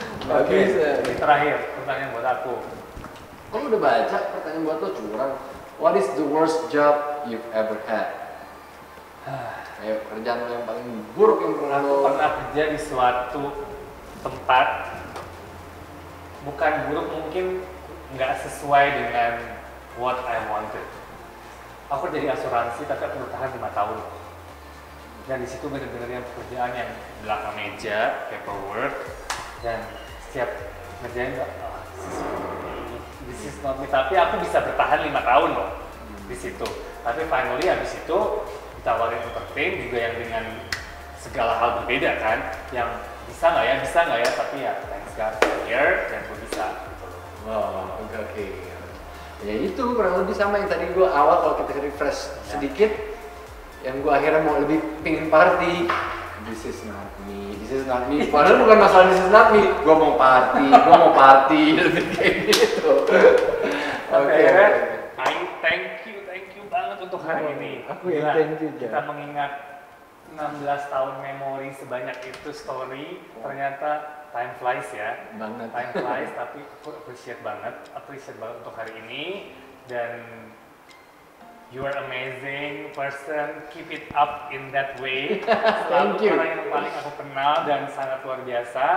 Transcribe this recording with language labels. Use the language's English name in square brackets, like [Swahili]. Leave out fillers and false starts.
[Indonesian] Oke, ini terakhir pertanyaan buat aku. Kok lu udah baca pertanyaan buat lo curang? [English] What is the worst job you've ever had? [Indonesian] Ayo, kerjaan lo yang paling buruk yang pernah lo... Pernah kerja di suatu tempat. Bukan buruk, mungkin nggak sesuai dengan [English] what I wanted. [Indonesian] Aku jadi asuransi, tapi aku bertahan 5 tahun. Dan di situ bener-bener yang pekerjaan yang belakang meja, paperwork. Dan setiap kerjaan nggak sesuai. Tapi aku bisa bertahan 5 tahun loh di situ. Tapi finally abis itu ditawarin entertain juga yang dengan segala hal berbeda kan. Yang bisa nggak ya? Tapi ya [English] thanks God here [Indonesian] dan aku bisa. Wow, oke. Ya itu kurang lebih sama yang tadi gue awal kalau kita refresh sedikit, yang gue akhirnya mau lebih pingin party. [English] This is not me, this is not me. [Indonesian] Padahal bukan masalah [English] this is not me. [Indonesian] Gue mau party. Lebih kayak gitu. Oke. [English] Okay. Thank you [Indonesian] banget untuk hari ini. Aku yang [English] thank you. [Indonesian] Kita mengingat 16 tahun memori sebanyak itu story. Ternyata [English] time flies [Indonesian] ya. Banget. [English] Time flies, [Indonesian] tapi aku appreciate banget untuk hari ini. [English] Dan you are amazing person, keep it up in that way. Thank you. [Indonesian] Orang yang paling aku kenal dan sangat luar biasa.